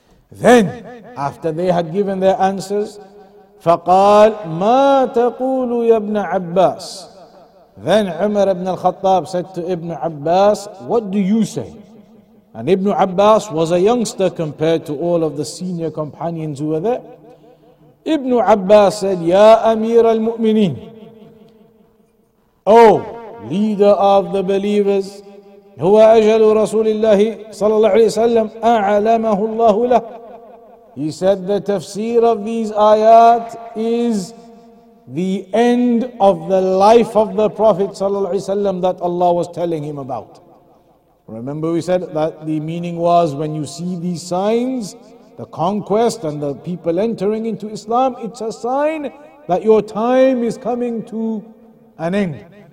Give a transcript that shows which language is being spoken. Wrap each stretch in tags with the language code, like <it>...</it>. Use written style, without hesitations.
<en>Then, after they had given their answers,</en> <ar>فقال ما تقول يا ابن عباس.</ar> <en>Then Umar ibn al-Khattab said to Ibn Abbas, what do you say? And Ibn Abbas was a youngster compared to all of the senior companions who were there. Ibn Abbas said,</en> <ar>يا أمير المؤمنين.</ar> <en>Oh, leader of the believers.</en> <ar>هو أجل رسول الله صلى الله عليه وسلم أعلمه الله له.</ar> <en>He said, the tafsir of these ayat is the end of the life of the Prophet ﷺ that Allah was telling him about. Remember we said that the meaning was, when you see these signs, the conquest and the people entering into Islam, it's a sign that your time is coming to an end.</en>